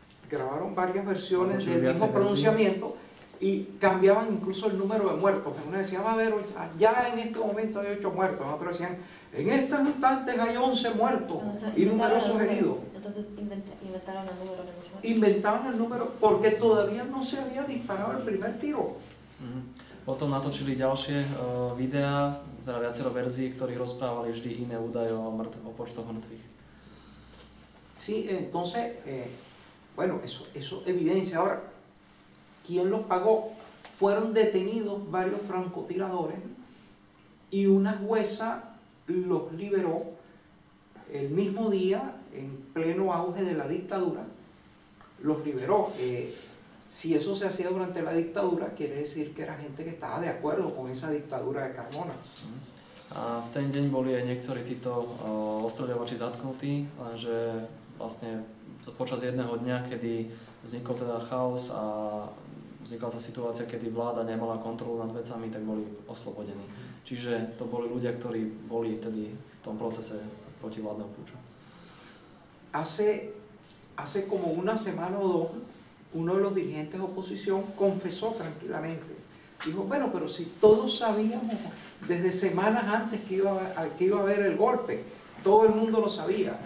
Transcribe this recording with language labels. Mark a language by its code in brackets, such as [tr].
[es] Grabaron varias versiones del mismo pronunciamiento y cambiaban incluso el número de muertos. Uno decía: va a ver, ya en este momento hay 8 muertos. Otros decían: en estos instantes hay 11 muertos y numerosos heridos. Entonces inventaron el número de los muertos. Inventaron el número porque todavía no se había disparado el primer tiro. [sk] Potom natočili ďalšie videá, teda viacero verzií, ktorých rozprávali vždy iné údaje o počtoch mŕtvych. [es] Sí, entonces, bueno, eso evidencia. Ahora, ¿quién los pagó? Fueron detenidos varios francotiradores y una jueza los liberó el mismo día, en pleno auge de la dictadura, los liberó. Si eso se hacía durante la dictadura, quiere decir que era gente que estaba de acuerdo con esa dictadura de Carmona. [sk] A v ten deň boli aj niektorí títo ostreľovači zatknutí, lenže vlastne počas jedného dňa, kedy vznikol teda chaos a vznikla tá situácia, kedy vláda nemala kontrolu nad vecami, tak boli oslobodení. Čiže to boli ľudia, ktorí boli tedy v tom procese protivládneho púča. [es] Hace como una semana o dos, uno de los dirigentes de oposición confesó tranquilamente. Dijo, bueno, pero si todos sabíamos desde semanas antes que iba a haber el golpe, todo el mundo lo sabía.